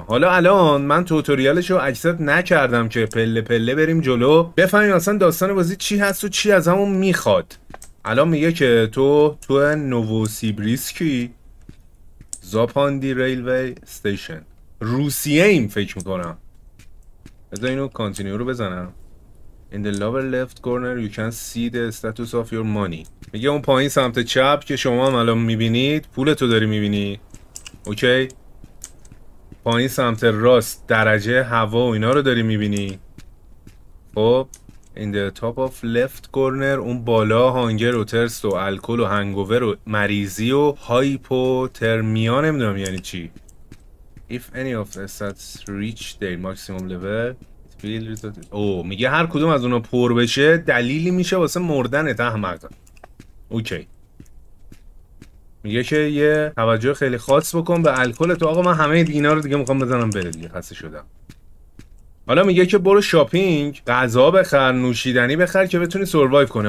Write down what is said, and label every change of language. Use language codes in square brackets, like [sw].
[fa] حالا الان من توتوریالش رو اکسپت نکردم که پله پله بریم جلو بفهمیم اصلا داستان بازی چی هست و چی ازمون می‌خواد. الان میگه که تو نووسیبریسکی زاپاندی ریلوی استیشن روسیه ایم فکر میکنم. بذار اینو کانتینیو رو بزنم. [en] In the lower left corner you can see the status of your money. [fa] میگه اون پایین سمت چپ که شما هم الان میبینید پولتو داری میبینی، اوکی؟ پایین سمت راست درجه هوا و اینا رو داری میبینی. خب [en] In the top of left corner [fa] اون بالا هانگر و ترست و الکل و هنگوور و مریضی و هایپوترمیا نمیدونم یعنی چی. [en] If any of the stats reach their maximum level it will result in... [fa] میگه هر کدوم از اونا پر بشه دلیلی میشه واسه مردن احمق. اوکی، میگه که یه توجه خیلی خاص بکن به الکل تو. آقا من همه اینا رو دیگه میخوام بزنم بره دیگه، خسته شدم. حالا میگه که برو شاپینگ، غذا بخر، نوشیدنی بخر که بتونی سروایو کنی.